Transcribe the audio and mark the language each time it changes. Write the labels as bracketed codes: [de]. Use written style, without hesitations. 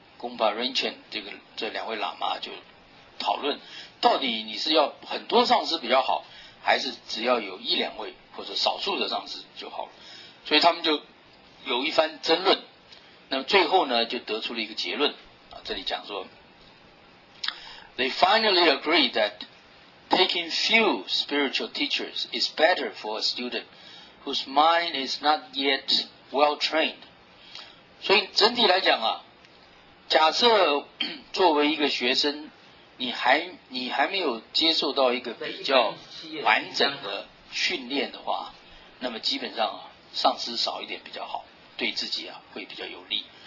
[zh] 公巴仁犬这两位喇嘛就讨论，到底你是要很多上师比较好，还是只要有一两位或者少数的上师就好了？所以他们就有一番争论。那么最后呢，就得出了一个结论啊，这里讲说 [en] ，They finally agree that taking few spiritual teachers is better for a student whose mind is not yet well trained。 [zh] 所以整体来讲啊。假设作为一个学生，你还没有接受到一个比较完整的训练的话，那么基本上啊，上师少一点比较好，对自己啊会比较有利。